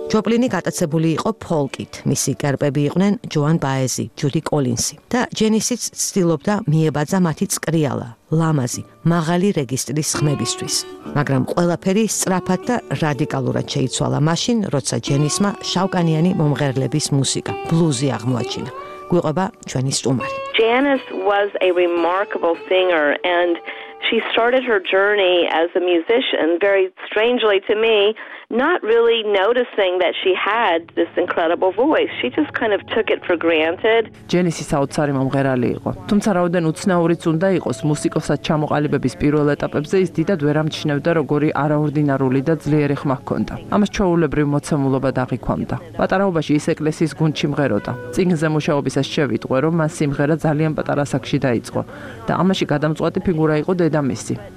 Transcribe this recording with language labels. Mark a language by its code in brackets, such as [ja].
[ka] ჯოპლინი გატაცებული იყო ფოლკით. მისი კერპები იყვნენ ჯოან ბაეზი, ჯუდი კოლინსი და ჯენისიც ცდილობდა მიებაძა მათი წკრიალა, ლამაზი, მაღალი რეგისტრის ხმებისთვის. მაგრამ ყველაფერი სწრაფად და რადიკალურად შეიცვალა მაშინ, როცა ჯენისმა შავკანიანი მომღერლების მუსიკა, ბლუზი აღმოაჩინა. გვიყვება ჩვენი სტუმარი. [en] Janis was a remarkable singer and she started her journey as a musician very strangely to me, not really noticing that she had this incredible voice. She just kind of took it for granted. Janis is [ka] საოცარი მომღერალი იყო. თუმცა რაოდენ უცნაურიც უნდა იყოს მუსიკოსად ჩამოყალიბების პირველ ეტაპებზე, ის დიდად ვერ ამჩნევდა, როგორი არაორდინარული და ძლიერი ხმა ჰქონდა. ამას ჩვეულებრივ მოცემულობად აღიქვამდა. პატარაობაში ის ეკლესიის გუნდში მღეროდა. წიგნზე მუშაობისას შევიტყვე, რომ მას სიმღერა ძალიან პატარა ასაკში დაიწყო და ამაში გადამწყვეტი ფიგურა იყო დედამისი.